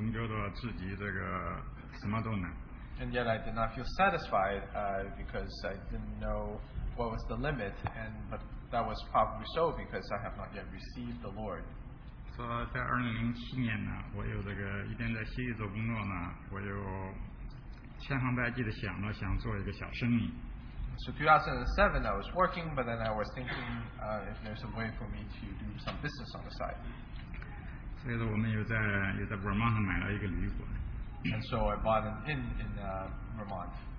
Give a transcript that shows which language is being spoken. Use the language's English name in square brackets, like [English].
[Chinese] 但是自己仍然不甘心，所以人呢总是有这个人总是有不知天高之后，不知道天高地厚，因为没有切实神呐，总觉得自己这个什么都难。 [English] And yet I did not feel satisfied because I didn't know what was the limit, and but that was probably so because I have not yet received the Lord. [Chinese] 所以在2007年呢，我有这个一边在西域做工作呢，我有 千方百计地想做一个小生意。 [English] So 2007, I was working, but then I was thinking if there's a way for me to do some business on the side. [Chinese] 所以我们又在 Vermont 买了一个旅馆。 [English] And so I bought an inn in Vermont.